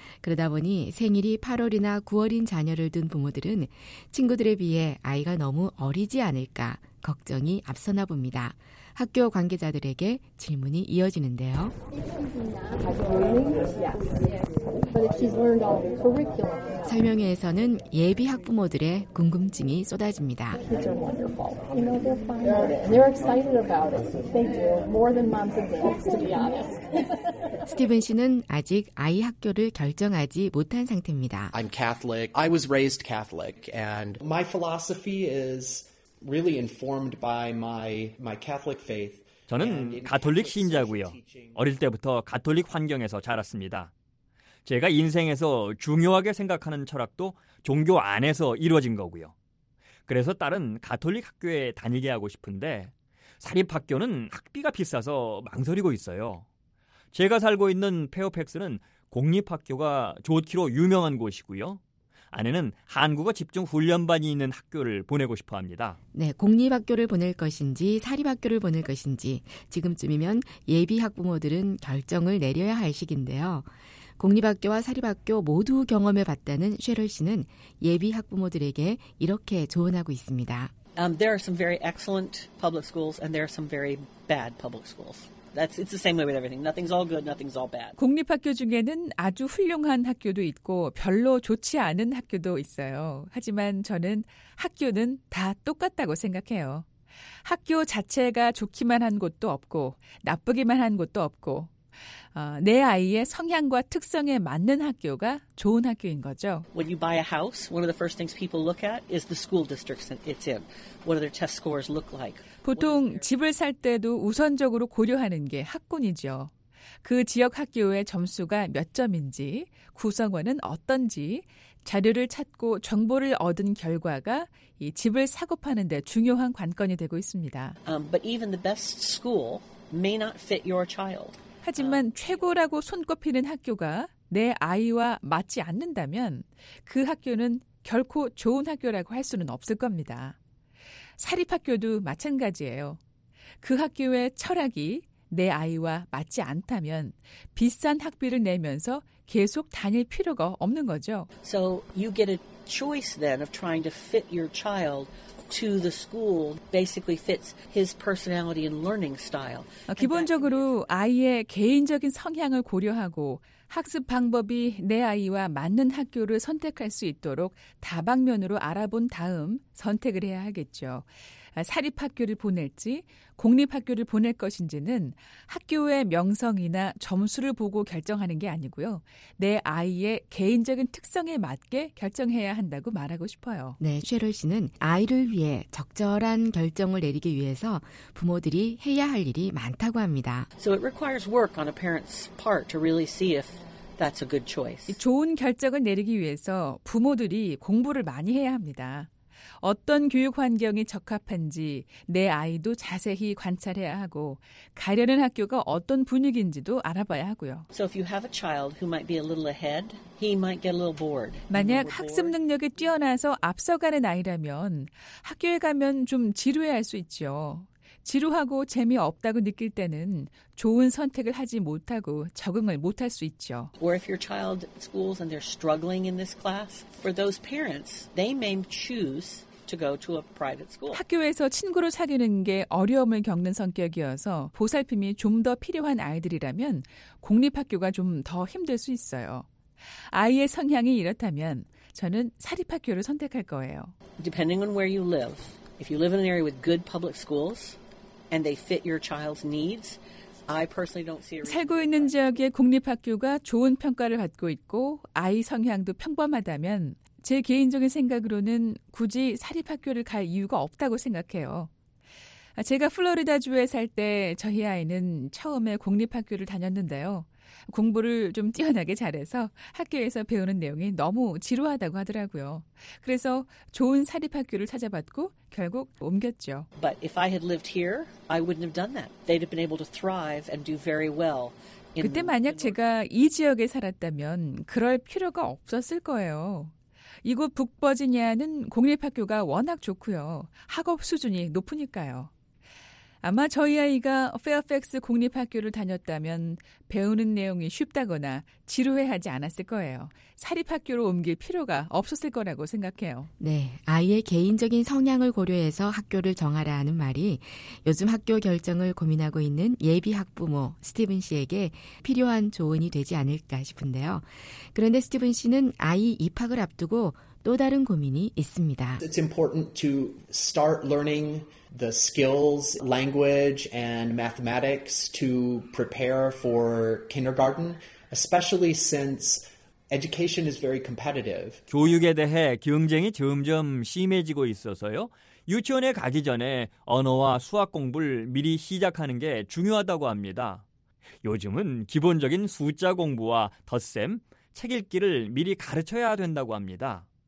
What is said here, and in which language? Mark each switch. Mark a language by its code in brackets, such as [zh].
[ko] 그러다 보니 생일이 8월이나 9월인 자녀를 둔 부모들은 친구들에 비해 아이가 너무 어리지 않을까 걱정이 앞서나 봅니다. 학교 관계자들에게 질문이 이어지는데요. [en] But she's learned all the curriculum. [ko] 설명회에서는 예비 학부모들의 궁금증이 쏟아집니다. [en] They're excited about it. They do more than moms and dads, to be honest. [ko] 스티븐 씨는 아직 아이 학교를 결정하지 못한 상태입니다. [en] I'm Catholic. I was raised Catholic, and my philosophy is really informed by my Catholic faith. [ko] 저는 가톨릭 신자고요. 어릴 때부터 가톨릭 환경에서 자랐습니다. 제가 인생에서 중요하게 생각하는 철학도 종교 안에서 이루어진 거고요. 그래서 딸은 가톨릭 학교에 다니게 하고 싶은데 사립학교는 학비가 비싸서 망설이고 있어요. 제가 살고 있는 페어팩스는 공립학교가 좋기로 유명한 곳이고요. 아내는 한국어 집중 훈련반이 있는 학교를 보내고 싶어 합니다. 네, 공립학교를 보낼 것인지 사립학교를 보낼 것인지 지금쯤이면 예비 학부모들은 결정을 내려야 할 시기인데요. 공립학교와 사립학교 모두 경험해봤다는 쉐럴 씨는 예비 학부모들에게 이렇게 조언하고 있습니다. [en] There are some very excellent public schools and there are some very bad public schools. That's it's the same way with everything. Nothing's all good, nothing's all bad. [ko] 공립학교 중에는 아주 훌륭한 학교도 있고 별로 좋지 않은 학교도 있어요. 하지만 저는 학교는 다 똑같다고 생각해요. 학교 자체가 좋기만 한 곳도 없고 나쁘기만 한 곳도 없고 내 아이의 성향과 특성에 맞는 학교가 좋은 학교인 거죠. [en] When you buy a house, one of the first things people look at is the school districts it's in. What do their test scores look like? [ko] 보통 집을 살 때도 우선적으로 고려하는 게 학군이죠. 그 지역 학교의 점수가 몇 점인지, 구성원은 어떤지, 자료를 찾고 정보를 얻은 결과가 이 집을 사고 파는 데 중요한 관건이 되고 있습니다. [en] But even the best school may not fit your child. [ko] 하지만 최고라고 손꼽히는 학교가 내 아이와 맞지 않는다면 그 학교는 결코 좋은 학교라고 할 수는 없을 겁니다. 사립학교도 마찬가지예요. 그 학교의 철학이 내 아이와 맞지 않다면 비싼 학비를 내면서 계속 다닐 필요가 없는 거죠. [en] So you get a choice then of trying to fit your child to the school basically fits his personality and learning style. [ko] 기본적으로 아이의 개인적인 성향을 고려하고 학습 방법이 내 아이와 맞는 학교를 선택할 수 있도록 다방면으로 알아본 다음 선택을 해야 하겠죠. 사립학교를 보낼지 공립학교를 보낼 것인지는 학교의 명성이나 점수를 보고 결정하는 게 아니고요. 내 아이의 개인적인 특성에 맞게 결정해야 한다고 말하고 싶어요. 네, 쉐럴 씨는 아이를 위해 적절한 결정을 내리기 위해서 부모들이 해야 할 일이 많다고 합니다. [en] So it requires work on a parent's part to really see if that's a good choice. [ko] 좋은 결정을 내리기 위해서 부모들이 공부를 많이 해야 합니다. 어떤 교육 환경이 적합한지 내 아이도 자세히 관찰해야 하고 가려는 학교가 어떤 분위기인지도 알아봐야 하고요. [en] So if you have a child who might be a little ahead, he might get a little bored. [ko] 만약 학습 능력이 뛰어나서 앞서가는 아이라면 학교에 가면 좀 지루해할 수 있죠. 지루하고 재미없다고 느낄 때는 좋은 선택을 하지 못하고 적응을 못할 수 있죠. [en] Or if your child schools and they're struggling in this class, for those parents, they may choose to go to a private school. [ko] 학교에서 친구를 사귀는 게 어려움을 겪는 성격이어서 보살핌이 좀 더 필요한 아이들이라면 공립학교가 좀 더 힘들 수 있어요. 아이의 성향이 이렇다면 저는 사립학교를 선택할 거예요. [en] Depending on where you live, if you live in an area with good public schools and they fit your child's needs, I personally don't see a reason. [ko] 살고 있는 지역의 공립학교가 좋은 평가를 받고 있고 아이 성향도 평범하다면 제 개인적인 생각으로는 굳이 사립학교를 갈 이유가 없다고 생각해요. 제가 플로리다주에 살 때 저희 아이는 처음에 공립학교를 다녔는데요. 공부를 좀 뛰어나게 잘해서 학교에서 배우는 내용이 너무 지루하다고 하더라고요. 그래서 좋은 사립학교를 찾아봤고 결국 옮겼죠. [en] But if I had lived here, I wouldn't have done that. They'd have been able to thrive and do very well. [ko] 그때 만약 제가 이 지역에 살았다면 그럴 필요가 없었을 거예요. 이곳 북버지니아는 공립학교가 워낙 좋고요. 학업 수준이 높으니까요. 아마 저희 아이가 페어팩스 공립학교를 다녔다면 배우는 내용이 쉽다거나 지루해하지 않았을 거예요. 사립학교로 옮길 필요가 없었을 거라고 생각해요. 네, 아이의 개인적인 성향을 고려해서 학교를 정하라 하는 말이 요즘 학교 결정을 고민하고 있는 예비 학부모 스티븐 씨에게 필요한 조언이 되지 않을까 싶은데요. 그런데 스티븐 씨는 아이 입학을 앞두고 또 다른 고민이 있습니다. [en] It's important to start learning the skills, language, and mathematics to prepare for kindergarten, especially since education is very competitive. [ko] 교육에 대해 경쟁이 점점 심해지고 있어서요. 유치원에 가기 전에 언어와 수학 공부를 미리 시작하는 게 중요하다고 합니다. 요즘은 기본적인 숫자 공부와 덧셈, 책 읽기를 미리 가르쳐야 된다고 합니다.